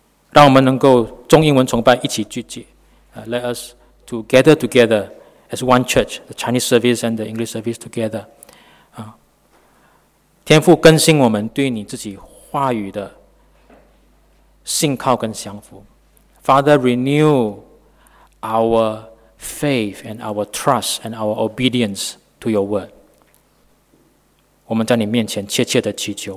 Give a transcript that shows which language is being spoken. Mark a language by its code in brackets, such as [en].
[zh] 让我们能够中英文崇拜一起聚集。 [en] Let us to gather together as one church, the Chinese service and the English service together. [zh] 天父，更新我们对你自己话语的信靠跟降服。 [en] Father, renew our faith and our trust and our obedience to your word. [zh] 我们在你面前切切的祈求。